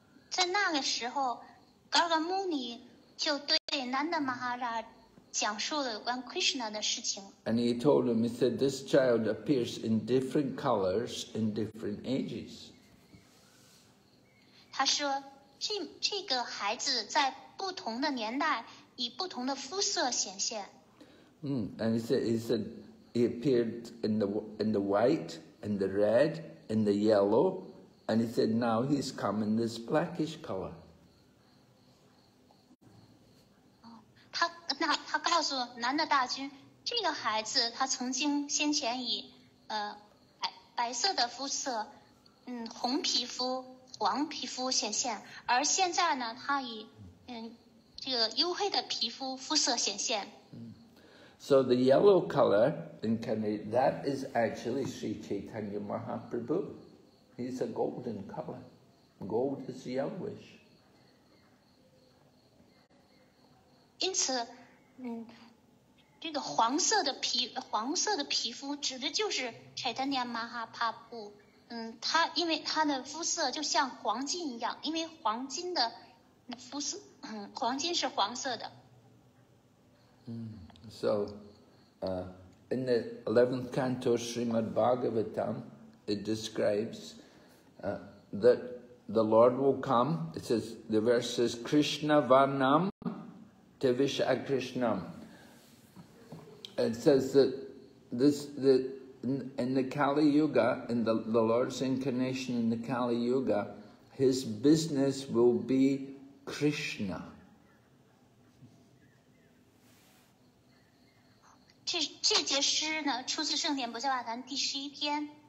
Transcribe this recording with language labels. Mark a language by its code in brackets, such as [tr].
[zh] 在那个时候 ，Garga Muni 就对南的马哈拉讲述了关 Krishna 的事情。 [en] And he told him, he said, this child appears in different colors in different ages. [zh] 他说这个孩子在不同的年代以不同的肤色显现。 [en] And he said he appeared in the white, in the red, in the yellow, and he said now he's come in this blackish color. [zh] 他告诉南的大君，这个孩子他曾经先前以白色的肤色，红皮肤。黄皮肤显现，而现在呢，他以这个黝黑的皮肤肤色显现。 [en] So the yellow color in Kali, that is actually Sri Chaitanya Mahaprabhu. He's a golden color. Gold is yellowish. [zh] 因此，这个黄色的皮肤指的就是 Chaitanya Mahaprabhu。他因为他的肤色就像黄金一样，因为黄金的肤色，黄金是黄色的。 [en] So, in the 11th canto Srimad Bhagavatam, it describes that the Lord will come. It says, the verse says, [sa] Krishna Varnam Tevisha Krishnam. [en] It says that in the Kali Yuga, in the Lord's incarnation in the Kali Yuga, his business will be Krishna. [zh] 这节诗呢，出自《圣典博伽瓦坛》第十一篇。